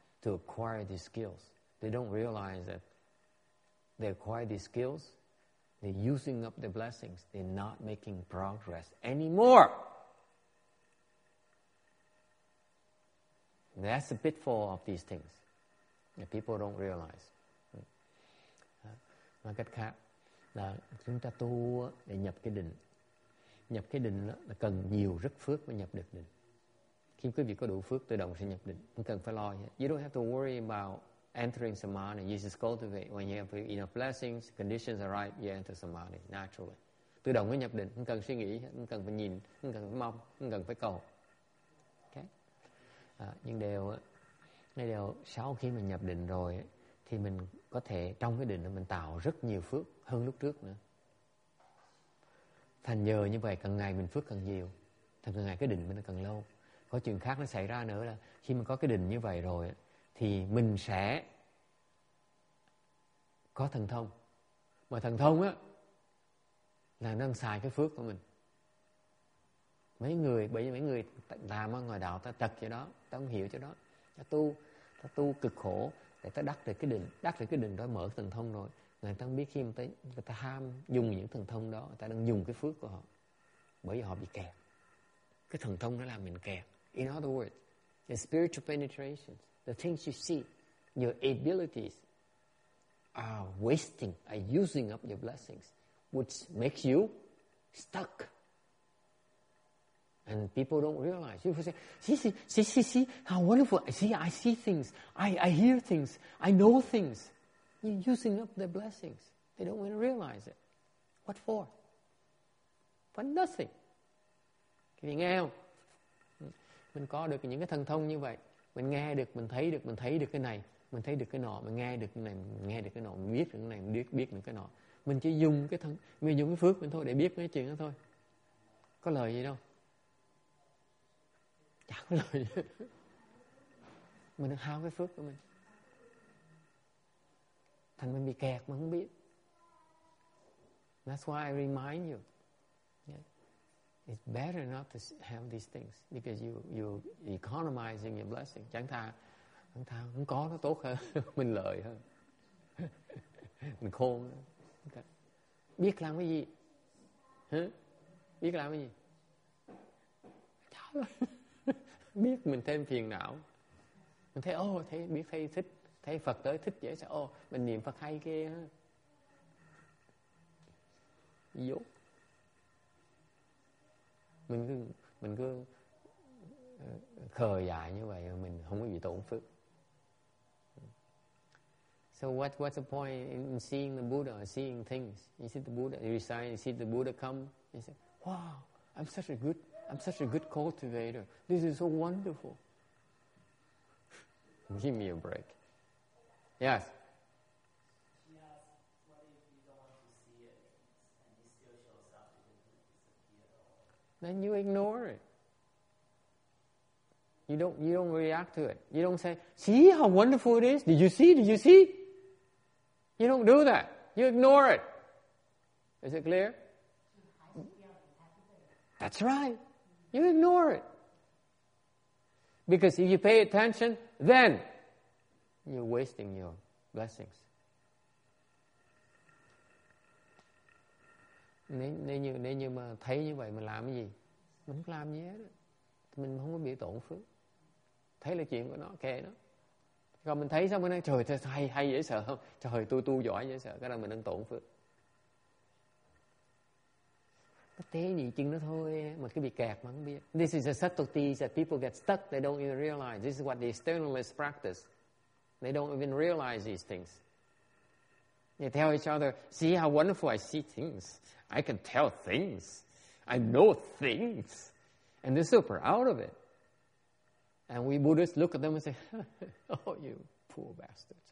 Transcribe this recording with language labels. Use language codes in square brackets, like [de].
[en] To acquire these skills. They don't realize that they acquire these skills, they're using up the blessings, they're not making progress anymore. That's the pitfall of these things that people don't realize. [vi] Nói cách khác là chúng ta tu để nhập cái định. Nhập cái định là cần nhiều rất phước mới nhập được định. Khi quý vị có đủ phước, tự động sẽ nhập định. Không cần phải lo. [en] You don't have to worry about entering samadhi. You just cultivate. When you have enough blessings, conditions are right, you enter samadhi naturally. [vi] Tự động mới nhập định. Không cần suy nghĩ, không cần phải nhìn, không cần phải mong, không cần phải cầu. Nhưng đều sau khi mình nhập định rồi thì mình có thể trong cái định đó mình tạo rất nhiều phước hơn lúc trước nữa. Thành nhờ như vậy càng ngày mình phước càng nhiều, thành càng ngày cái định mình càng lâu. Có chuyện khác nó xảy ra nữa là khi mình có cái định như vậy rồi thì mình sẽ có thần thông. Mà thần thông á là nó đang xài cái phước của mình. Mấy người, bởi vì mấy người làm ở ngoài đạo, ta tật cho đó, ta không hiểu cho đó. Ta tu cực khổ để ta đắc được cái định đó, mở thần thông rồi. Người ta không biết khi mà người ta ham dùng những thần thông đó, người ta đang dùng cái phước của họ. Bởi vì họ bị kẹt. Cái thần thông nó làm mình kẹt. [en] In other words, the spiritual penetration, the things you see, your abilities are wasting, are using up your blessings, which makes you stuck. And people don't realize. People say, see, how wonderful. I see things. I hear things. I know things. You're using up their blessings. They don't even realize it. What for? For nothing. [vi] Vì nghe không? Mình có được những cái thần thông như vậy. Mình nghe được, mình thấy được cái này. Mình thấy được cái nọ. Mình nghe được cái này, mình nghe được cái nọ. Mình biết được cái này, mình biết được cái nọ. Mình chỉ dùng cái thần, mình dùng cái phước mình thôi để biết cái chuyện đó thôi. Có lời gì đâu. Chẳng lời. Mình đang hao cái phước của mình. Thành mình bị kẹt mà không biết. [en] That's why I remind you. Yeah. It's better not to have these things because you're economizing your blessing. [vi] Chẳng thà không có nó tốt hơn. Mình lợi hơn. Mình khôn hơn. Okay. Biết làm cái gì? Huh? Biết làm cái gì? Chẳng lời. Biết mình thêm phiền não. Mình thấy, biết thấy thích. Thấy Phật tới thích dễ sao. Mình niệm Phật hay ghê. Vô. Mình cứ khờ dại như vậy. Mình không có bị tổn phước. [en] So what's the point in seeing the Buddha, seeing things? You see the Buddha, you recite, you see the Buddha come. You say, wow, I'm such a good cultivator. This is so wonderful. Give me a break. Yes. She asked, what if you don't want to see it and it still shows up and it doesn't disappear? Then you ignore it. You don't react to it. You don't say, see how wonderful it is? Did you see? You don't do that. You ignore it. Is it clear? That's right. You ignore it. Because if you pay attention, then you're wasting your blessings. [vi] Nếu mà thấy như vậy mình làm cái gì? Mình không làm gì hết. Mình không có bị tổn phước. Thấy là chuyện của nó, kệ nó. Còn mình thấy xong mình nói, trời hay, hay dễ sợ không? Trời tu giỏi dễ sợ. Cái là mình đang tổn phước. Nó thế gì chừng nó thôi. Mà cái bị kẹt mà không biết. [en] This is a subtlety that people get stuck. They don't even realize. This is what the externalists practice. They don't even realize these things. They tell each other, see how wonderful I see things. I can tell things. I know things. And they're super out of it. And we Buddhists look at them and say, oh, you poor bastard.